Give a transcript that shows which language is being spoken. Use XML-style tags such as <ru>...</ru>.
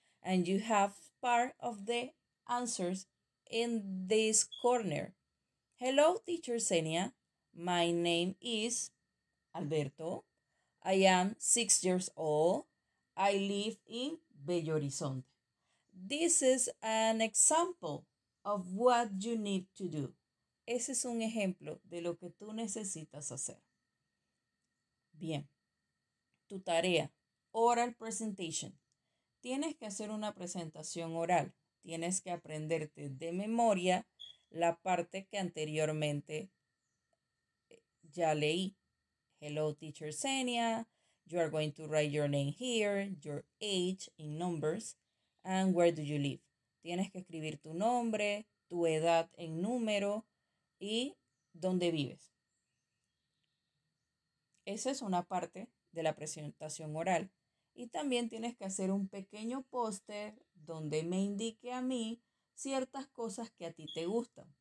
<en>And you have part of the answers in this corner. Hello, teacher Xenia. My name is Alberto. I am 6 years old. I live in Belo Horizonte. This is an example of what you need to do.</en> <es>Ese es un ejemplo de lo que tú necesitas hacer.</es> <en>Bien, tu tarea oral presentation.</en> <es>Tienes que hacer una presentación oral. Tienes que aprenderte de memoria la parte que anteriormente ya leí.</es> <en>Hello, teacher Xenia. You are going to write your name here, your age in numbers, and where do you live.</en> <es>Tienes que escribir tu nombre, tu edad en número y dónde vives. Esa es una parte de la presentación oral. Y también tienes que hacer un pequeño póster donde me indique a mí ciertas cosas que a ti te gustan.</es>